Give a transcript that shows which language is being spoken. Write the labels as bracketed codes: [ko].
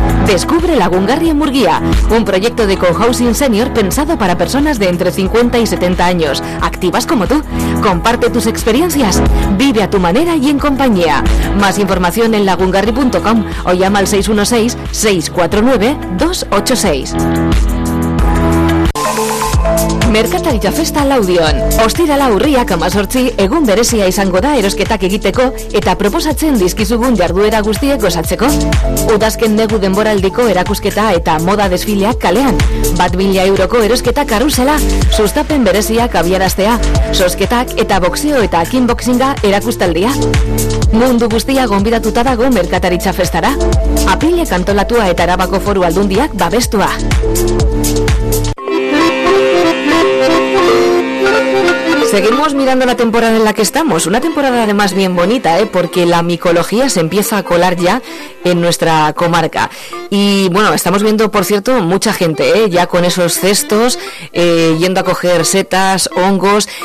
[es] Descubre la Gungarri en Murguía, un proyecto de cohousing senior pensado para personas de entre 50 y 70 años, activas como tú. Comparte tus experiencias, vive a tu manera y en compañía. Más información en lagungarri.com o llama al 616-649-286. [eu] Merkataritza Festa Laudion. Ostirala urriak 18 egun berezia izango da erosketak egiteko eta proposatzen dizkizugun jarduera guztiek gozatzeko. Udazken negu denboraldiko erakusketa eta moda desfileak kalean. 1.000 euroko erosketa karusela, sustapen bereziak abiaraztea, sosketak eta boxeo eta kickboxinga erakustaldia. Mundu guztia gonbidatuta dago Merkataritza Festara. Apilek antolatua eta Arabako Foru Aldundiak babestua. [es] Seguimos mirando la temporada en la que estamos, una temporada además bien bonita, ¿eh? Porque la micología se empieza a colar ya en nuestra comarca. Y bueno, estamos viendo, por cierto, mucha gente, ¿eh?, ya con esos cestos, yendo a coger setas, hongos.